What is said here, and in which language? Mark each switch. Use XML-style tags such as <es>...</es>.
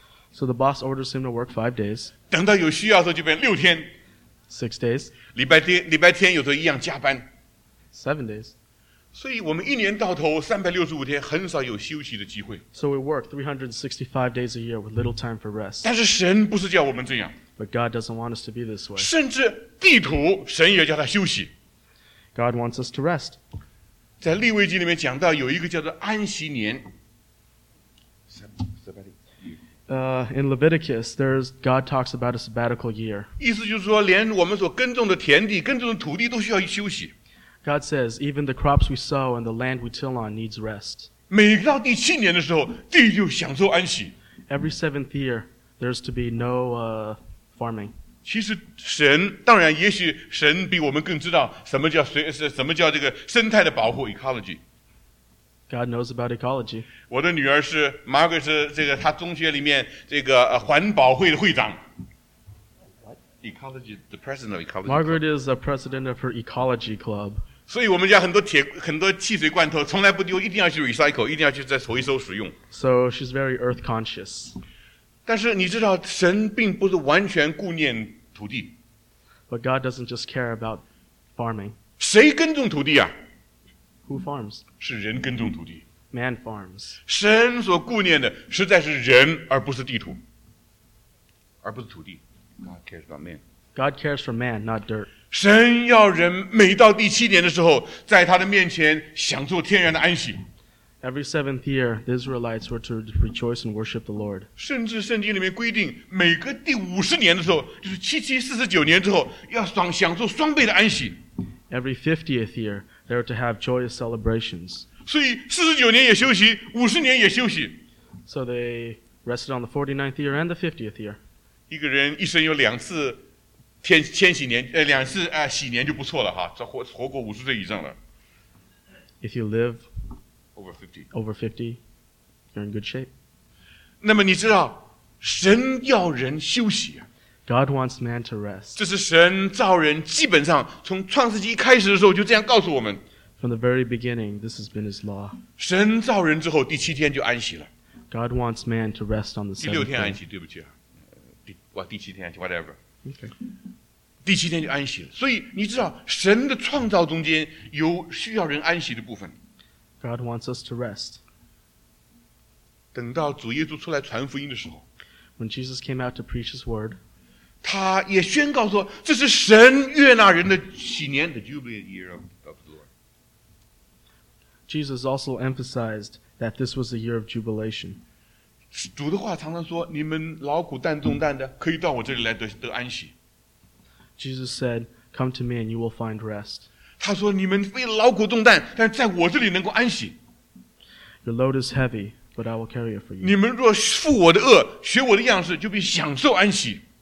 <en>So the boss orders him to work 5 days.</en> <zh>等到有需要的时候就变六天。</zh> <en>6 days.</en> <zh>礼拜天有时候一样加班。</zh> <en>7 days.</en> <zh>所以我们一年到头365天很少有休息的机会。</zh> <en>So we work 365 days a year with little time for rest.</en> <zh>但是神不是叫我们这样。</zh> <en>But God doesn't want us to be this way.</en> <zh>甚至地土神也叫他休息。</zh> <en>God wants us to rest.</en> <zh>在利未记里面讲到有一个叫做安息年。</zh> <en>In Leviticus, God talks about a sabbatical year.</en> <zh>意思就是说连我们所耕种的田地耕种的土地都需要休息。</zh> <en>God says, even the crops we sow and the land we till on needs rest.</en> <zh>每到第七年的时候地就享受安息。</zh> <en>Every seventh year, there's to be no,farming.</en> <zh>其实神当然也许神比我们更知道什么叫这个生态的保护 ecology.</zh> <en>God knows about ecology.</en> <zh>我的女儿是 Margaret 是这个她中学里面这个环保会的会长。</zh> <en>What? Ecology, the president of ecology. Margaret is the president of her ecology club.</en> <zh>所以我们家很多汽水罐头从来不丢，一定要去 recycle， 一定要去再回收使用。</zh> <en>So she's very earth conscious.</en> <zh>但是你知道神并不是完全顾念土地。</zh> <en>But God doesn't just care about farming.</en> <zh>谁耕种土地啊？</zh> <en>Who farms?</en> <zh>是人耕种土地。</zh> <en>Man farms.</en> <zh>神所顾念的实在是人而不是地土。而不是土地。</zh> <en>God cares about man. God cares for man, not dirt.</en> <zh>神要人每到第七年的时候在他的面前享受天然的安息。</zh> <en>Every seventh year, the Israelites were to rejoice and worship the Lord.</en> <zh>甚至圣经里面规定，每个第五十年的时候，就是七七四十九年之后，要享受双倍的安息。</zh> <en>Every 50th year, they were to have joyous celebrations.</en> <zh>所以四十九年也休息，五十年也休息。</zh> <en>So they rested on the 49th year and the 50th year.</en> <zh>一个人一生有两次喜年就不错了哈，这活过五十岁以上了。</zh> <en>If you live. Over 50, you're in good shape.</en> <zh>那么你知道，神要人休息。</zh> <en>God wants man to rest.</en> <zh>这是神造人基本上从创世纪开始的时候就这样告诉我们。</zh> <en>From the very beginning, this has been His law.</en> <zh>神造人之后第七天就安息了。</zh> <en>God wants man to rest on the seventh</en> <zh>day. 第六天安息，对不起啊，第七天whatever.</zh> <en>Okay.</en> <zh>第七天就安息了。所以你知道，神的创造中间有需要人安息的部分。</zh> <en>God wants us to rest.</en> <zh>等到主耶稣出来传福音的时候</zh> <en>，When Jesus came out to preach His word,</en> <zh>他也宣告说，这是神悦纳人的喜年</zh> <en>，the jubilee year of the Lord. Jesus also emphasized that this was a year of jubilation.</en> <zh>主的话常常说，你们劳苦担重担的，可以到我这里来得安息。</zh> <en>Jesus said, "Come to me, and you will find rest."</en> <zh>他说：“你们非劳苦重担，但在我这里能够安息。”</zh> <en>Your load is heavy, but I will carry it for you.</en> <zh>你们若负我的轭，学我的样式，就必享受安息。</zh>